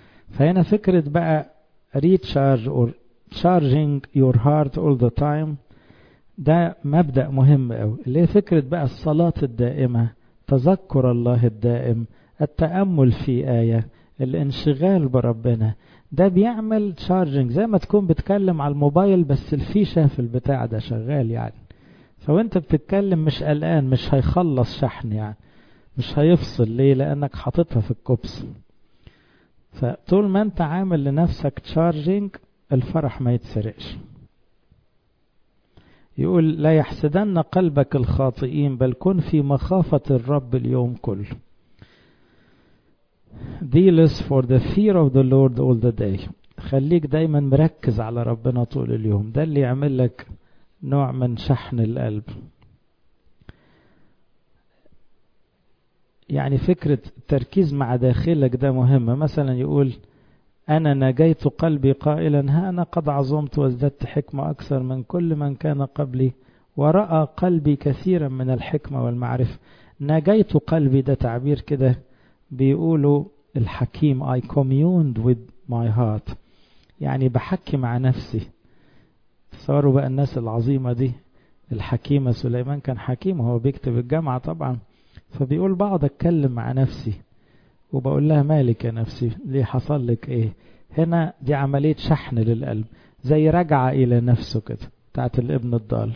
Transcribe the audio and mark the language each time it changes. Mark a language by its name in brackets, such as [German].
[Arabic] فهنا فكرة بقى [English] recharge or charging your heart all the time، [Arabic] ده مبدأ مهم قوي، اللي هي فكرة بقى الصلاة الدائمة، تذكر الله الدائم، التأمل في آية، الانشغال بربنا، ده بيعمل تشارجنج، زي ما تكون بتكلم على الموبايل بس الفيشة في البتاع ده شغال يعني، فوانت بتتكلم مش قلقان، مش هيخلص شحن يعني، مش هيفصل، ليه؟ لأنك حاططها في الكوبس. فطول ما انت عامل لنفسك تشارجنج الفرح ما يتسرقش. يقول لا يحسدن قلبك الخاطئين بل كن في مخافة الرب اليوم كل. [English] Zealous for the fear of the Lord all the day. [Arabic] خليك دايما مركز على ربنا طول اليوم. ده اللي يعمل لك نوع من شحن القلب. يعني فكرة التركيز مع داخلك ده مهم. مثلا يقول أنا نجيت قلبي قائلا ها أنا قد عظمت وازددت حكمة أكثر من كل من كان قبلي ورأى قلبي كثيرا من الحكمة والمعرفة. نجيت قلبي ده تعبير كده بيقوله الحكيم. [English] I communed with my heart [Arabic] يعني بحكي مع نفسي. تصوروا بقى الناس العظيمة دي. الحكيمة سليمان كان حكيم وهو بيكتب الجامعة طبعا. فبيقول بعض اتكلم مع نفسي وبقول لها مالك يا نفسي ليه حصل لك ايه. هنا دي عملية شحن للقلب زي رجعة الى نفسه كده بتاعت الابن الضال.